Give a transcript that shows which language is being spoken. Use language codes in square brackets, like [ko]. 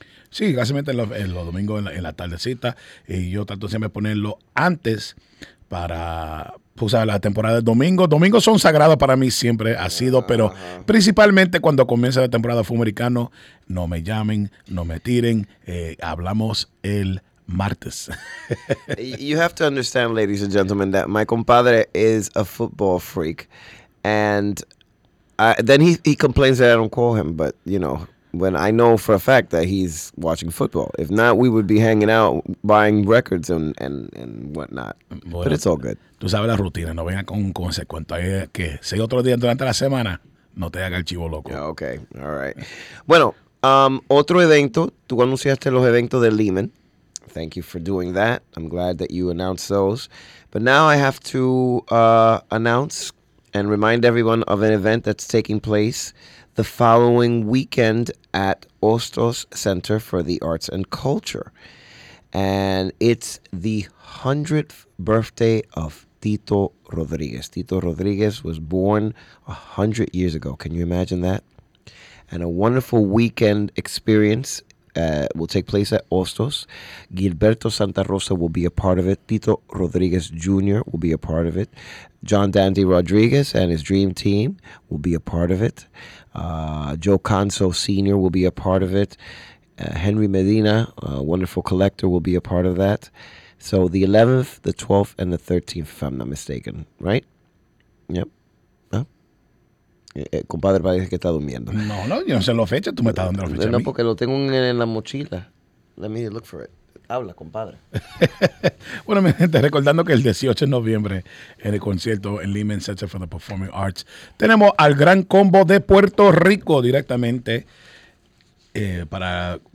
[es] Sí, casi los domingos en la tardecita. Y yo trato siempre de ponerlo antes para usar la temporada de domingo. Domingos son sagrados para mí, siempre ha sido, pero principalmente cuando comienza la temporada de fútbol americano, no me llamen, no me tiren, hablamos el martes. [en] You have to understand, ladies and gentlemen, that my compadre is a football freak, and then he complains that I don't call him, but you know, when I know for a fact that he's watching football. If not, we would be hanging out buying records and whatnot. [es] Bueno, [en] but it's all good. [es] Tú sabes la rutina, no venga con ese cuento ahí, que si otro día durante la semana no te haga el chivo loco. [en] Okay, all right. [es] Bueno, otro evento, tú anunciaste los eventos de Lehman. [en] Thank you for doing that. I'm glad that you announced those. But now I have to announce and remind everyone of an event that's taking place the following weekend at Hostos Center for the Arts and Culture. And it's the 100th birthday of Tito Rodriguez. Tito Rodriguez was born 100 years ago. Can you imagine that? And a wonderful weekend experience will take place at Hostos. Gilberto Santa Rosa will be a part of it. Tito Rodriguez Jr. will be a part of it. John Dandy Rodriguez and his dream team will be a part of it. Joe Canso Sr. will be a part of it. Henry Medina, a wonderful collector, will be a part of that. So the 11th, the 12th, and the 13th, if I'm not mistaken, right? Yep. [es] Compadre, parece que está durmiendo. No, yo no sé la fecha, tú me estás dando la fecha. No, porque lo tengo en la mochila. [en] Let me look for it. [es] Habla, compadre. Bueno, mi gente, recordando que el 18 de noviembre, en el concierto en Lehman Center for the Performing Arts, tenemos al Gran Combo de Puerto Rico directamente para